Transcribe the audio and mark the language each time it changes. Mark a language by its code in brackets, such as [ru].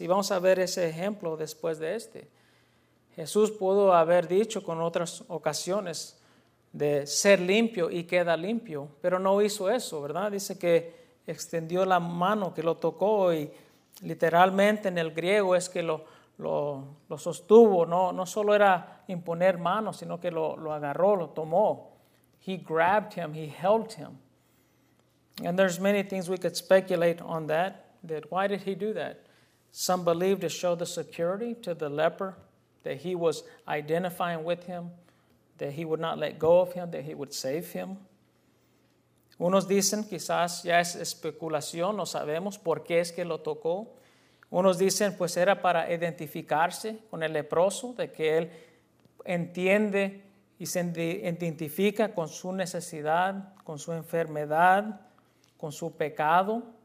[es] Y vamos a ver ese ejemplo después de este. Jesús pudo haber dicho con otras ocasiones de ser limpio y queda limpio, pero no hizo eso, ¿verdad? Dice que extendió la mano, que lo tocó, y literalmente en el griego es que lo sostuvo. No solo era imponer mano, sino que lo agarró, lo tomó. [en] He grabbed him, he held him. And there's many things we could speculate on that why did he do that? Some believe to show the security to the leper, that he was identifying with him, that he would not let go of him, that he would save him. [es] Unos dicen, quizás ya es especulación, no sabemos por qué es que lo tocó. Unos dicen, pues era para identificarse con el leproso, de que él entiende y se identifica con su necesidad, con su enfermedad, con su pecado.